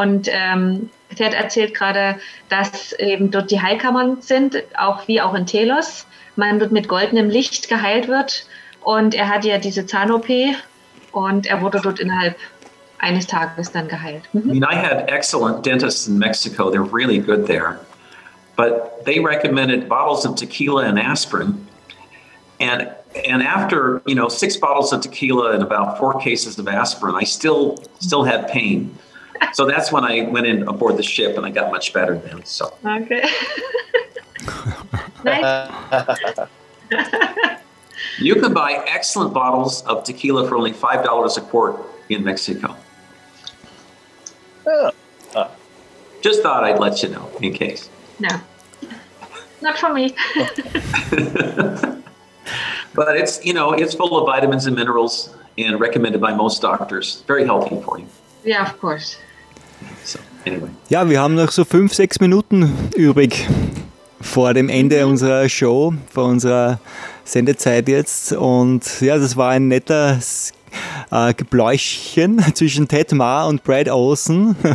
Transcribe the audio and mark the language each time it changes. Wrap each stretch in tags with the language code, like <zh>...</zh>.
<de>Und Ted erzählt gerade, dass eben dort die Heilkammern sind, auch wie auch in Telos. Man dort mit goldenem Licht geheilt wird. Und er hatte ja diese Zahn-OP und er wurde dort innerhalb eines Tages dann geheilt.</de> <en>Mm-hmm. I mean, I had excellent dentists in Mexico. They're really good there. But they recommended bottles of tequila and aspirin. And after, you know, 6 bottles of tequila and about 4 cases of aspirin, I still had pain. So that's when I went in aboard the ship and I got much better then. So. Okay. Nice. You can buy excellent bottles of tequila for only $5 a quart in Mexico. Just thought I'd let you know, in case. No, not for me. But it's, you know, it's full of vitamins and minerals and recommended by most doctors. Very healthy for you. Yeah, of course. So, anyway.</en> <de>Ja, wir haben noch so 5-6 Minuten übrig vor dem Ende unserer Show, vor unserer Sendezeit jetzt. Und ja, das war ein netter Gebläuschchen zwischen Ted Ma und Brad Olsen.</de>